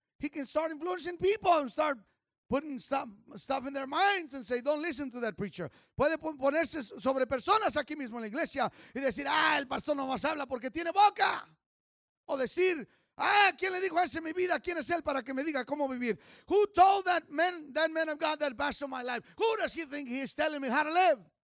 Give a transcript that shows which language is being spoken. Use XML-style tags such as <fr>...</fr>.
<en>He can start influencing people and start putting stuff in their minds and say, don't listen to that preacher.</en> <es>Puede ponerse sobre personas aquí mismo en la iglesia y decir, el pastor no más habla porque tiene boca. O decir, ¿quién le dijo eso en mi vida? ¿Quién es él para que me diga cómo vivir?</es> <en>Who told that man of God, that pastor of my life? Who does he think he is telling me how to live?</en>